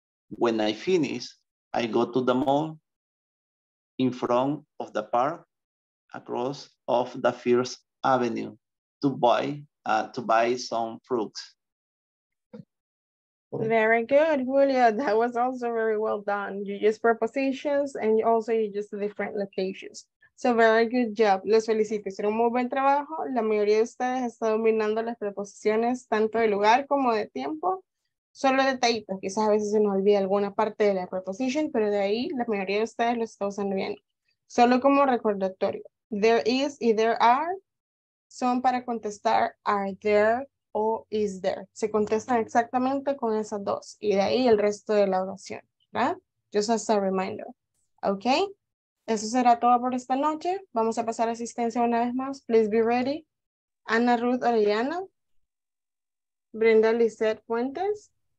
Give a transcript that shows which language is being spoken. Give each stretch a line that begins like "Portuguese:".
English: When I finish, I go to the mall in front of the park, across of the First Avenue to buy some fruits. Very good, Julia. That was also very well done. You used prepositions and also you used different locations. So very good job.
Spanish: Los felicito. Hicieron muy buen trabajo. La mayoría de ustedes está dominando las preposiciones tanto de lugar como de tiempo. Solo detallitos. Quizás a veces se nos olvida alguna parte de la preposición, pero de ahí la mayoría de ustedes lo está usando bien. Solo como recordatorio. There is y there are son para contestar are there o is there. Se contestan exactamente con esas dos y de ahí el resto de la oración, ¿verdad?
English: Just as a reminder.
Spanish: Ok, eso será todo por esta noche. Vamos a pasar a asistencia una vez más.
English: Please be ready. Ana Ruth Orellana. Brenda Lizeth Fuentes.